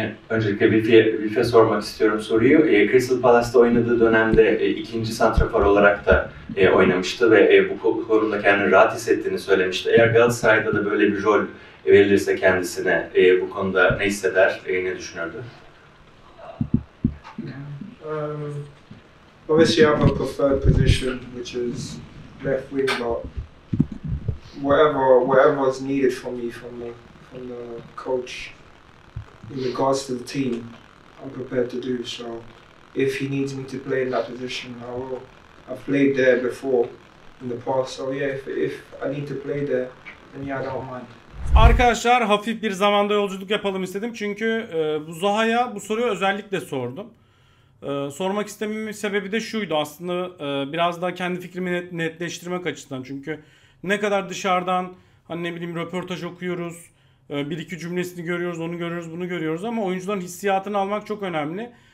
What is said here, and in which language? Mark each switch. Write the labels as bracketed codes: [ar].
[tr] Öncelikle Wilf'e sormak istiyorum soruyu. Crystal Palace'da oynadığı dönemde ikinci santrafor olarak da oynamıştı ve bu konuda kendini rahat hissettiğini söylemişti. Eğer Galatasaray'da da böyle bir rol verilirse kendisine bu konuda ne hisseder, ne düşünürdü? [en] Obviously I have a preferred position, which is left wing, but whatever is needed from the coach in regards to the team, I'm prepared to do so. If he needs me to play in that position, I will. I've played there before in the past, so yeah, if I need to play there, then yeah, I don't mind. [tr] Arkadaşlar, hafif bir zamanda yolculuk yapalım istedim. Çünkü bu Zaha'ya bu soruyu özellikle sordum. Sormak istememin sebebi de şuydu. Aslında biraz daha kendi fikrimi netleştirmek açısından. Çünkü ne kadar dışarıdan hani ne bileyim röportaj okuyoruz, bir iki cümlesini görüyoruz, onu görüyoruz, bunu görüyoruz ama oyuncuların hissiyatını almak çok önemli.